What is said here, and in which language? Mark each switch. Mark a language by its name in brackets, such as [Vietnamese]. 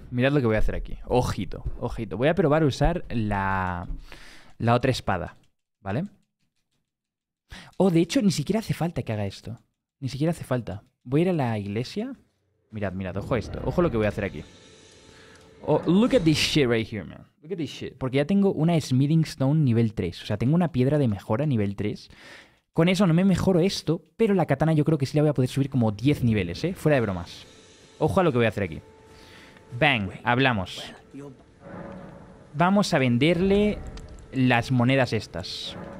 [Spanish] Mirad lo que voy a hacer aquí. Ojito, ojito. Voy a probar a usar la otra espada. ¿Vale? Oh, de hecho, ni siquiera hace falta que haga esto. Ni siquiera hace falta. Voy a ir a la iglesia. Mirad, mirad. Ojo esto. Ojo lo que voy a hacer aquí. [English] Oh, look at this shit right here, man. Look at this shit. [Spanish] Porque ya tengo una Smithing Stone nivel 3. O sea, tengo una piedra de mejora nivel 3. Con eso no me mejoro esto. Pero la katana yo creo que sí la voy a poder subir como 10 niveles, ¿eh? Fuera de bromas. Ojo a lo que voy a hacer aquí. Bang, hablamos. Vamos a venderle las monedas estas.